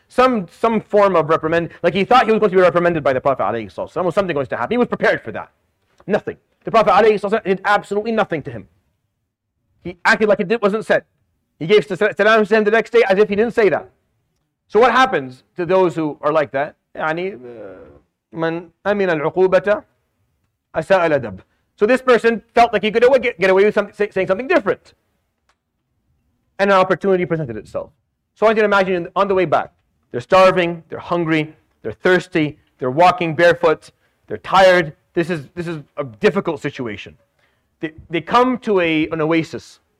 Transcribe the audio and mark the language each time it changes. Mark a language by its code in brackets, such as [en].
[en] some form of reprimand. Like he thought he was going to be reprimanded by the Prophet alayhi salallahu alayhi wa sallam. Something was to happen. He was prepared for that. Nothing. The Prophet alayhi salallahu alayhi wa sallam did absolutely nothing to him. He acted like it wasn't said. He gave salam to him the next day as if he didn't say that. So what happens to those who are like that? [ar] من أمن العقوبة أساء الأدب. [en] So this person felt like he could get away with saying something different. And an opportunity presented itself. So I can imagine on the way back, they're starving, they're hungry, they're thirsty, they're walking barefoot, they're tired. This is a difficult situation. They come to an oasis.